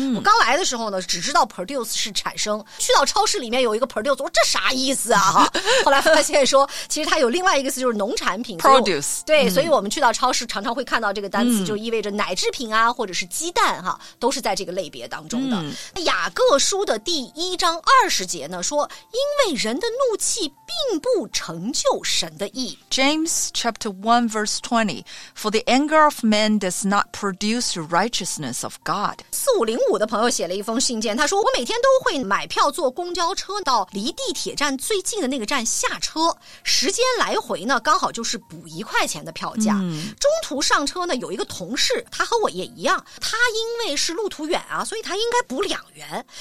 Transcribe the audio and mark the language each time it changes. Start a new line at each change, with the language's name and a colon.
Chinese: 我刚来的时候呢只知道 produce 是产生，去到超市里面有一个 produce， 我说这啥意思啊哈后来发现说其实它有另外一个词，就是农产品
English: produce，
Chinese: 对，所以我们去到超市常常会看到这个单词，就意味着奶制品啊，或者是鸡蛋哈，都是在这个类别当中的。雅各书的第一章20节呢，说因为人的怒气并不成就神的义。
English: James chapter 1 verse 20, for the anger of men does not produce righteousness of God.
Chinese: 4505的朋友写了一封信件，他说我每天都会买票坐公交车到离地铁站最近的那个站下车，时间来回呢刚好就是补1块钱的票价。中途上车呢有一个同事，他和我也一样，他因为是路途远啊，所以他应该补2元。